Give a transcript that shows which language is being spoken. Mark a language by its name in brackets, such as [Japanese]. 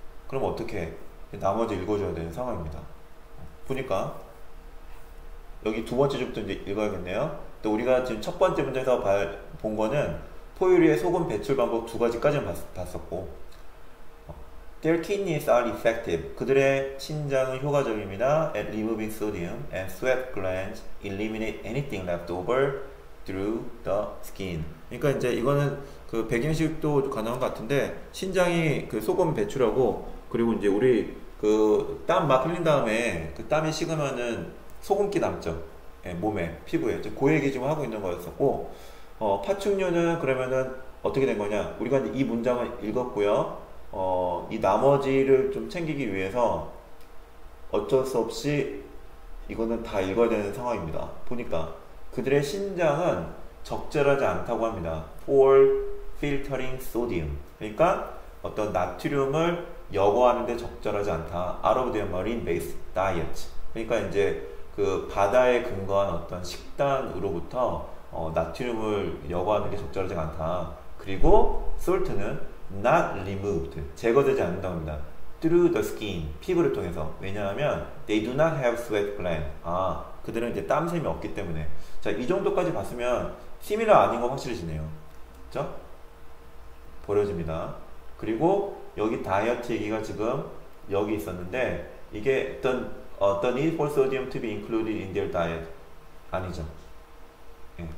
[Korean] 그럼 어떻게 나머지 읽어줘야 되는 상황입니다. 보니까 여기 두 번째 줄부터 이제 읽어야겠네요. 또 우리가 지금 첫 번째 문제에서 본 거는 포유리의 소금 배출 방법 두 가지까지만 봤었고, [English] Their kidneys are effective. [Korean] 그들의 신장은 효과적입니다. [English] At removing sodium and sweat glands eliminate anything left over through the skin. [Korean] 그러니까 이제 이거는 그 백인식도 가능한 것 같은데, 신장이 그 소금 배출하고, 그리고 이제 우리 그땀막 흘린 다음에 그 땀이 식으면은 소금기 남죠. 예, 몸에, 피부에. 이제 그 얘기 지금 하고 있는 거였었고, 파충류는 그러면은 어떻게 된 거냐. 우리가 이제 이 문장을 읽었고요. 이 나머지를 좀 챙기기 위해서 어쩔 수 없이 이거는 다 읽어야 되는 상황입니다. 보니까 그들의 신장은 적절하지 않다고 합니다. [English] For filtering sodium. [Korean] 그러니까 어떤 나트륨을 여과하는 데 적절하지 않다. [English] Out of their marine based diet. [Korean] 그러니까 이제 그 바다에 근거한 어떤 식단으로부터 나트륨을 여과하는 게 적절하지 않다. 그리고 [English] salt는 Not removed. [Korean] 제거되지 않는답니다. [English] Through the skin. [Korean] 피부를 통해서. 왜냐하면, [English] they do not have sweat gland. [Korean] 아, 그들은 이제 땀샘이 없기 때문에. 자, 이 정도까지 봤으면, [English] similar [Korean] 아닌 거 확실해지네요. 그죠? 버려집니다. 그리고, 여기 다이어트 얘기가 지금, 여기 있었는데, 이게 어떤 [English] need for sodium to be included in their diet. [Korean] 아니죠. 예.